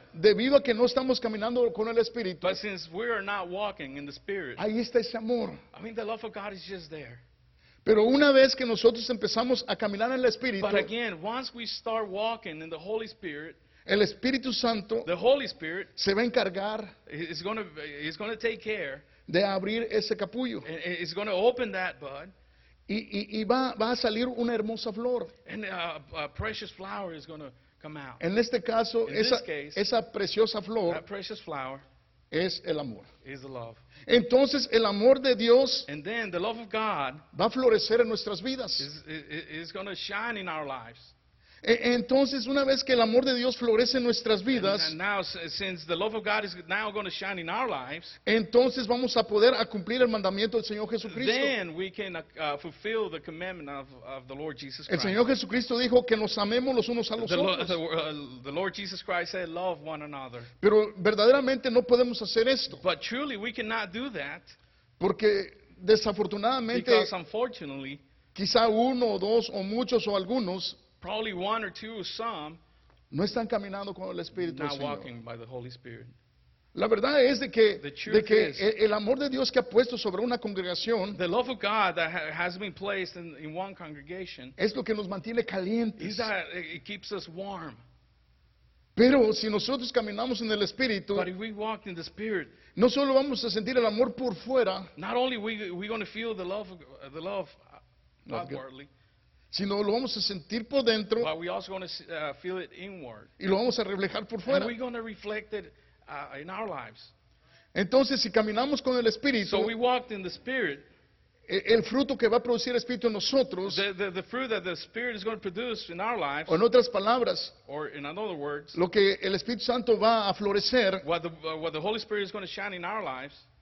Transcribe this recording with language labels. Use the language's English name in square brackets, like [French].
[Spanish] debido a que no estamos caminando con el Espíritu, [English] but since we are not walking in the Spirit, [Spanish] ahí está ese amor. [English] I mean, the love of God is just there. [Spanish] Pero una vez que nosotros empezamos a caminar en el Espíritu, [English] but again, once we start walking in the Holy Spirit, [Spanish] el Espíritu Santo, [English] the Holy Spirit, [Spanish] se va a encargar, [English] he's going to take care, [Spanish] de abrir ese capullo, [English] he's going to open that bud, [Spanish] y va a salir una hermosa flor, [English] and a precious flower is going to come out. [Spanish] En este caso, esa preciosa flor, [English] that precious flower, [Spanish] es el amor, [English] is the love. [Spanish] Entonces el amor de Dios, [English] and then the love of God, [Spanish] va a florecer en nuestras vidas, [English] is going to shine in our lives. [Spanish] Entonces una vez que el amor de Dios florece en nuestras vidas, [English] and now, since the love of God is now going to shine in our lives, [Spanish] entonces vamos a poder a cumplir el mandamiento del Señor Jesucristo. [English] Then we can fulfill the commandment of the Lord Jesus Christ. [Spanish] El Señor Jesucristo dijo que nos amemos los unos a los otros. [English] The Lord Jesus Christ said, love one another. [Spanish] Pero verdaderamente no podemos hacer esto. [English] But truly we cannot do that. [Spanish] Porque desafortunadamente, [English] because unfortunately, [Spanish] quizá uno o dos o muchos o algunos, [English] probably one or two, some, [Spanish] no están caminando con el Espíritu [English] not [Spanish] Señor. [English] Walking by the Holy Spirit. [Spanish] La verdad es de que, el amor de Dios que ha puesto sobre una congregación, [English] the love of God that has been placed in one congregation, [Spanish] es lo que nos mantiene calientes. [English] Is that it keeps us warm. [Spanish] Pero si nosotros caminamos en el Espíritu, [English] but if we walk in the Spirit, [Spanish] no solo vamos a sentir el amor por fuera, [English] not only we going to feel the love outwardly, [Spanish] sino lo vamos a sentir por dentro, [English] but we also going to feel it inward, [Spanish] y lo vamos a reflejar por fuera, [English] and we going to reflect it in our lives. [Spanish] Entonces si caminamos con el Espíritu, [English] so we walked in the Spirit, [Spanish] el fruto que va a producir el Espíritu en nosotros, [English] the fruit that the Spirit is going to produce in our lives, [Spanish] o en otras palabras, [English] or in other words, [Spanish] lo que el Espíritu Santo va a florecer, [English] what the Holy Spirit is going to shine in our lives,